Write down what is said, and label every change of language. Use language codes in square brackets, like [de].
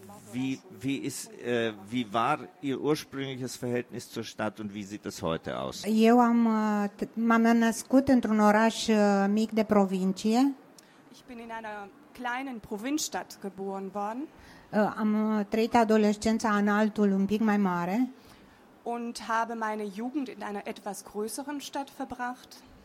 [de] Wie war Ihr ursprüngliches Verhältnis zur Stadt und wie sieht es heute aus? Ich bin in einer kleinen Provinzstadt geboren worden. [ro] Am trăit adolescența în altul, un pic mai mare. [de] Und habe meine Jugend in einer etwas größeren Stadt verbracht.